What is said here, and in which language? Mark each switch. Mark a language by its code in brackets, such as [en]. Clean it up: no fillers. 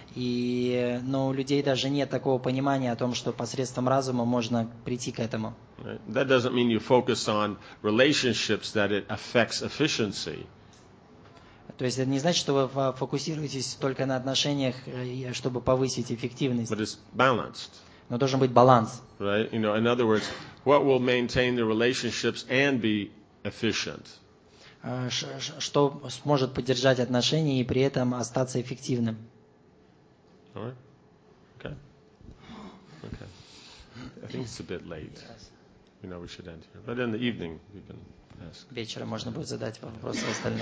[ru] И, но у людей даже нет такого понимания о том, что посредством разума можно прийти к этому. [en] That doesn't mean you focus on relationships, that it affects efficiency. [ru] То есть это не значит, что вы фокусируетесь только на отношениях, чтобы повысить эффективность. [en] But it's balanced. [ru] Но должен быть баланс. [en] Right? You know, in other words, what will maintain the relationships and be efficient? [ru] Что сможет поддержать отношения и при этом остаться эффективным. [en] All right. Okay. Okay. I think it's a bit late. Yes. You know, we should end here. But in the evening, you can ask. [ru] Вечером можно будет задать вопросы остальные.